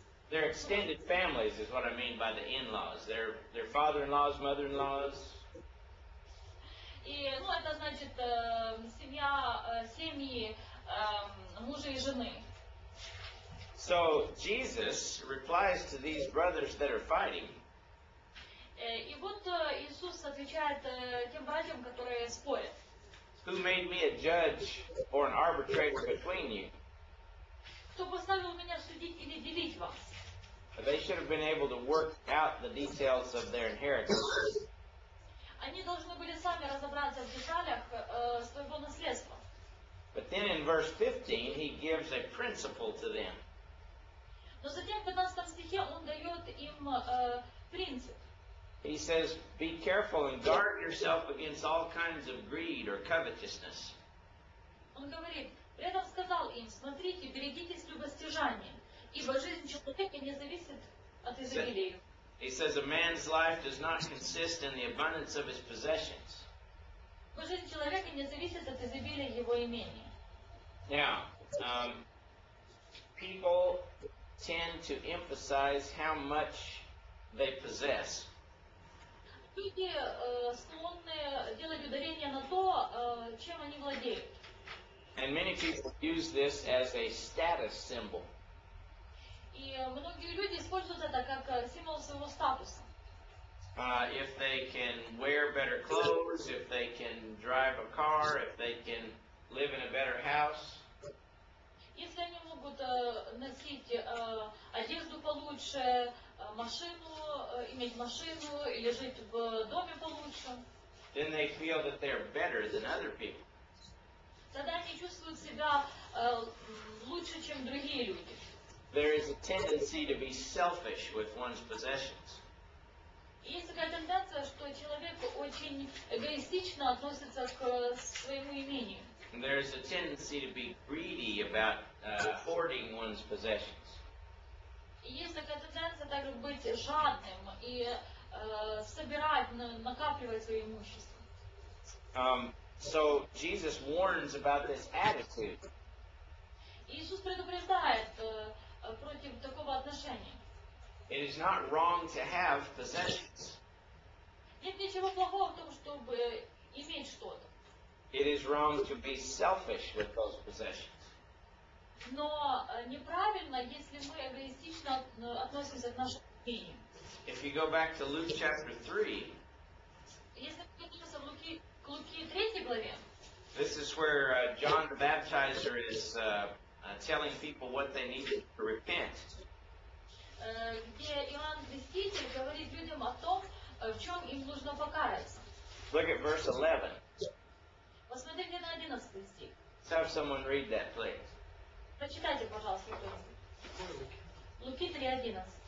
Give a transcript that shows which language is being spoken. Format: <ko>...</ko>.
<en>Their extended families is what I mean by the in-laws. Their father-in-laws, mother-in-laws.</en> <ru>И, ну, это значит семья, семьи мужа и жены.</ru> <en>So Jesus replies to these brothers that are fighting.</en> <ru>И вот Иисус отвечает тем братьям, которые спорят.</ru> <en>Who made me a judge or an arbitrator between you?</en> <ru>Кто поставил меня судить или делить вас?</ru> <en>They should have been able to work out the details of their inheritance.</en> <ru>Они должны были сами разобраться в деталях своего наследства.</ru> <en>But then in verse 15, he gives a principle to them.</en> <ru>Но затем в 15 стихе он дает им принцип.</ru> <en>He says, be careful and guard yourself against all kinds of greed or covetousness.</en> <ru>Он говорит, при этом сказал им, смотрите, берегитесь любостяжания. Ибо жизнь человека не зависит от изобилия.</ru> <en>He says a man's life does not consist in the abundance of his possessions.</en> <ru>Но жизнь человека не зависит от изобилия его имения.</ru> <en>Now, people tend to emphasize how much they possess.</en> <ru>Люди склонны делать ударение на то, чем они владеют.</ru> <en>And many people use this as a status symbol.</en> <ru>И многие люди используют это как символ своего статуса.</ru> <en>If they can wear better clothes, if they can drive a car, if they can live in a better house.</en> <ru>Если они могут носить одежду получше, машину, иметь машину или жить в доме получше.</ru> <en>Then they feel that they're better than other people.</en> <ru>Тогда они чувствуют себя лучше, чем другие люди.</ru> <en>There is a tendency to be selfish with one's possessions.</en> <ru>Есть такая тенденция, что человек очень эгоистично относится к своему имению.</ru> <en>There is a tendency to be greedy about hoarding one's possessions.</en> <ru>Есть такая тенденция также быть жадным и собирать, накапливать свое имущество.</ru> <en>So Jesus warns about this attitude.</en> <ru>Иисус предупреждает против такого отношения.</ru> <en>It is not wrong to have possessions.</en> <ru>Нет ничего плохого в том, чтобы иметь что-то.</ru> <en>It is wrong to be selfish with those possessions.</en> <ru>Но неправильно, если мы эгоистично относимся к нашим имениям.</ru> <en>If you go back to Luke chapter 3,</en> <ru>если мы вернемся в Луки, к Луки 3 главе,</ru> <en>this is where John the Baptizer is telling people what they need to repent.</en> <ru>Где Иоанн Креститель говорит людям о том, в чем им нужно покаяться.</ru> <en>Look at verse 11.</en> <ru>Посмотрите на 11 стих.</ru> <en>So have someone read that, please.</en> <ru>Прочитайте, пожалуйста, кто-нибудь. Луки 3:11.</ru>